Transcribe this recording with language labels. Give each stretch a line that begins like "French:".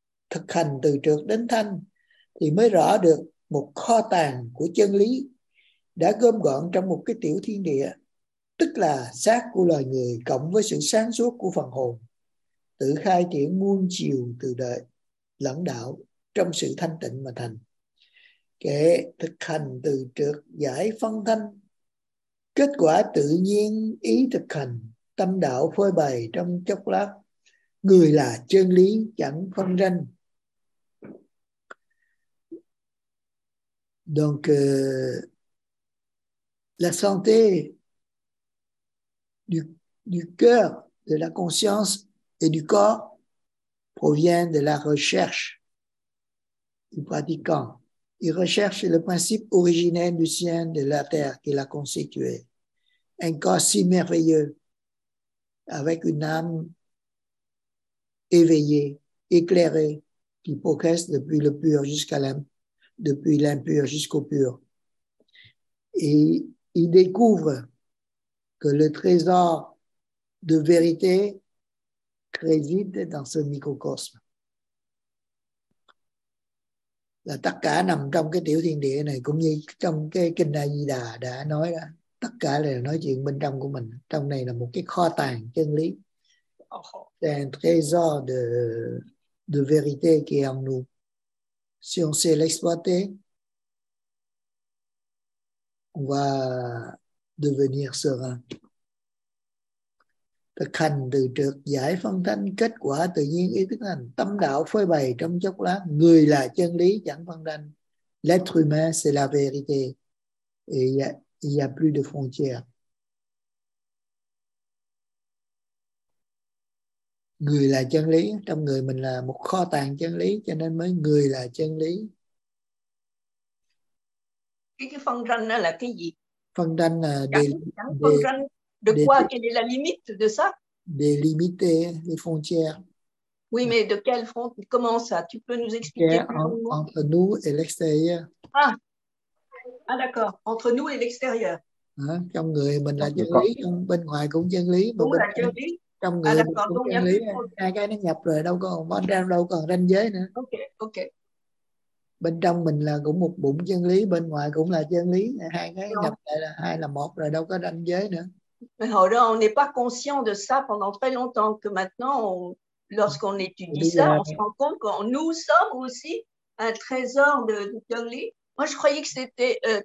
Vietnamese: Thực hành từ trược đến thanh thì mới rõ được một kho tàng của chân lý đã gom gọn trong một cái tiểu thiên địa, tức là xác của loài người cộng với sự sáng suốt của phần hồn, tự khai triển muôn chiều từ đời lẫn đạo trong sự thanh tịnh mà thành. Kể thực hành từ trược giải phân thanh, kết quả tự nhiên ý thực hành tâm đạo phơi bày trong chốc lát, người là chân lý chẳng phân ranh.
French: Donc, la santé du cœur, de la conscience et du corps provient de la recherche du pratiquant. Il recherche le principe originel du sien, de la terre qui l'a constitué. Un corps si merveilleux, avec une âme éveillée, éclairée, qui progresse depuis le pur jusqu'à depuis l'impur jusqu'au pur. Et il découvre que le trésor de vérité réside dans ce microcosme.
Vietnamese: Là, tất cả nằm trong cái tiểu thiên địa này, cũng như trong cái kinh A Di Đà đã nói đó. Tất cả là nói chuyện bên trong của mình. Trong này là một cái kho tàng chân lý.
French: C'est un trésor de vérité qui est en nous. Si on sait l'exploiter, on va devenir serein.
Vietnamese: Thực hành từ trước, giải phân thanh, kết quả tự nhiên ý thức hành. Tâm đạo phơi bày trong chốc lát. Người là chân lý, chẳng phân thanh.
French: L'être humain, c'est la vérité. Et il n'y a plus de frontières.
Vietnamese: Người là chân lý, trong người mình là một kho tàng chân lý, cho nên mới người là chân lý. Cái phân tranh đó là cái gì? Phân tranh là...
French: Quelle est la limite de ça? Des limites, des frontières. Oui, mais de quelle frontière? Comment ça? Tu peux nous expliquer? Entre nous et l'extérieur. Ah, d'accord. Entre nous et l'extérieur. Hein?
Vietnamese: Trong người mình là chân lý, bên ngoài cũng chân lý. Trong người cũng chân lý, hai cái nó nhập rồi, đâu còn ranh giới nữa. Ok. Bên trong mình là cũng một bụng chân lý, bên ngoài cũng là chân lý, hai cái nhập lại là hai là một rồi, đâu có ranh giới nữa.
French: Mais alors, on n'est pas conscient de ça pendant très longtemps, que maintenant, lorsqu'on étudie ça, on se rend compte que nous sommes aussi un trésor de chân lý. Moi, je croyais que c'était